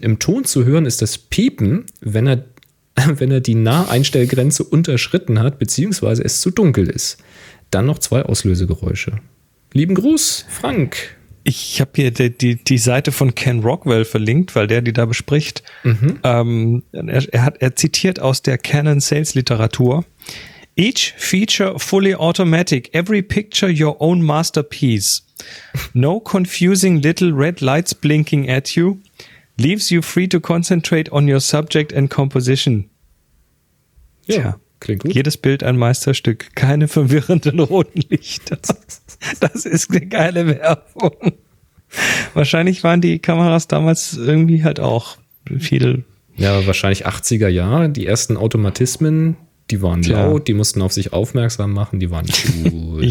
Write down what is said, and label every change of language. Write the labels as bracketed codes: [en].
[de] Im Ton zu hören ist das Piepen, wenn er die Naheinstellgrenze unterschritten hat, beziehungsweise es zu dunkel ist. Dann noch zwei Auslösegeräusche. Lieben Gruß, Frank. Ich habe hier die Seite von Ken Rockwell verlinkt, weil der die da bespricht. Mhm. Er zitiert aus der Canon Sales Literatur. [en] Each feature fully automatic, every picture your own masterpiece. No confusing little red lights blinking at you. Leaves you free to concentrate on your subject and composition. [de] Ja, tja, klingt gut. Jedes Bild ein Meisterstück. Keine verwirrenden roten Lichter. Das ist eine geile Werbung. Wahrscheinlich waren die Kameras damals irgendwie halt auch viel. Ja, wahrscheinlich 80er Jahre. Die ersten Automatismen, die waren laut, die mussten auf sich aufmerksam machen, die waren cool.